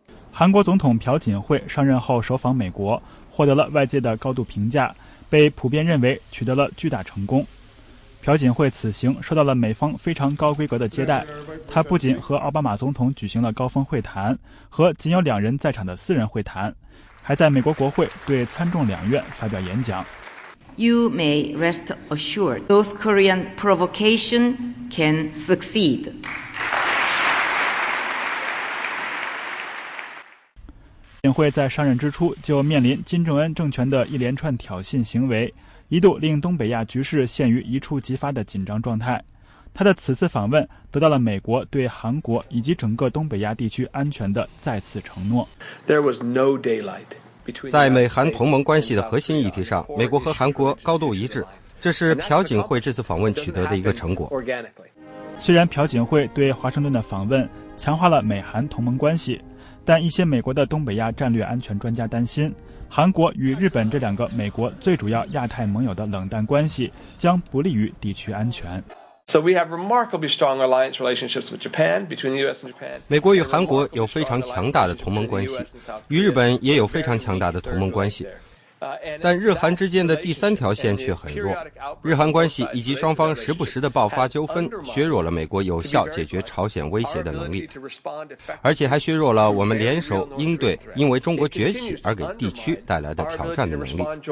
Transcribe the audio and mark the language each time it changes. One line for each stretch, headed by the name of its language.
Chinese: 韩国总统朴槿惠上任后首访美国，获得了外界的高度评价，被普遍认为取得了巨大成功。朴朴槿惠此行受到了美方非常高规格的接待，他不仅和奥巴马总统举行了高峰会谈和仅有两人在场的私人会谈，还在美国国会对参众两院发表演讲。
English: You may rest assured, North Korean provocation can succeed.
Chinese: 朴槿惠在上任之初就面临金正恩政权的一连串挑衅行为，一度令东北亚局势陷于一触即发的紧张状态。他的此次访问得到了美国对韩国以及整个东北亚地区安全的再次承诺。
English: There was no daylight.
Chinese: 在美韩同盟关系的核心议题上，美国和韩国高度一致，这是朴槿惠这次访问取得的一个成果。虽然朴槿惠对华盛顿的访问强化了美韩同盟关系，但一些美国的东北亚战略安全专家担心，韩国与日本这两个美国最主要亚太盟友的冷淡关系将不利于地区安全。
English: So we have remarkably strong alliance relationships with Japan, between the U.S. and Japan.
Chinese: 美国与韩国有非常强大的同盟关系，与日本也有非常强大的同盟关系，但日韩之间的第三条线却很弱。日韩关系以及双方时不时的爆发纠纷，削弱了美国有效解决朝鲜威胁的能力，而且还削弱了我们联手应对因为中国崛起而给地区带来的挑战的能力。